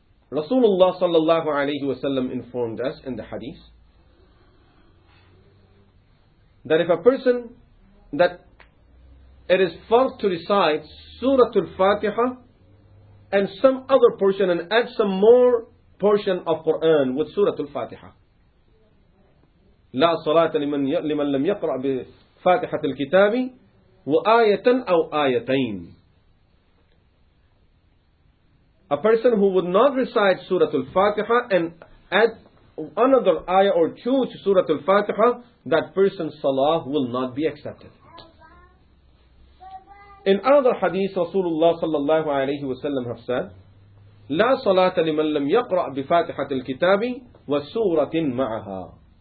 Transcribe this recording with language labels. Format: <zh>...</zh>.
<en>Rasulullah sallallahu alayhi wa sallam informed us in the hadith that if a person, that it is fard to recite Surah Al-Fatiha and some other portion and add some more portion of Quran with Surah Al-Fatiha.</en> <ar>لا صلاة لمن لم يقرأ بفاتحة الكتاب وآية أو آيتين.</ar> <en>A person who would not recite Surah Al-Fatiha and add another ayah or two to Surah Al-Fatiha, that person's salah will not be accepted. In another hadith, Rasulullah sallallahu alayhi wa sallam have said,</en> <ar>لا صلاة لمن لم يقرأ بفاتحة الكتاب وسورة معها.</ar>